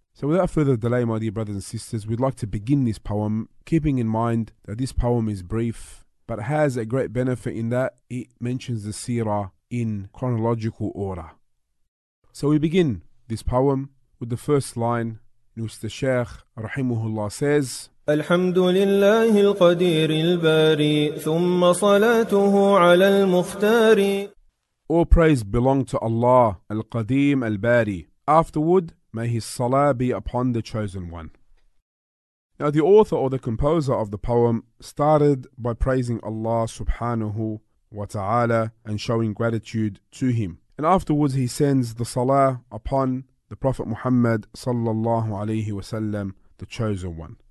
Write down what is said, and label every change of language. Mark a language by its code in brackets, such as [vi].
[en] So without further delay, my dear brothers and sisters, we'd like to begin this poem, keeping in mind that this poem is brief, but has a great benefit in that it mentions the seerah in chronological order. So we begin this poem with the first line, in which the Sheikh, rahimahullah, says, [ar] الحمد لله القدير الباري ثم صلاته على المختار. [en] All praise belong to Allah, Al-Qadim, Al-Bari. Afterward, may his salah be upon the chosen one. Now the author or the composer of the poem started by praising Allah subhanahu wa ta'ala and showing gratitude to him. And afterwards he sends the salah upon the Prophet Muhammad sallallahu alayhi wa sallam, the chosen one.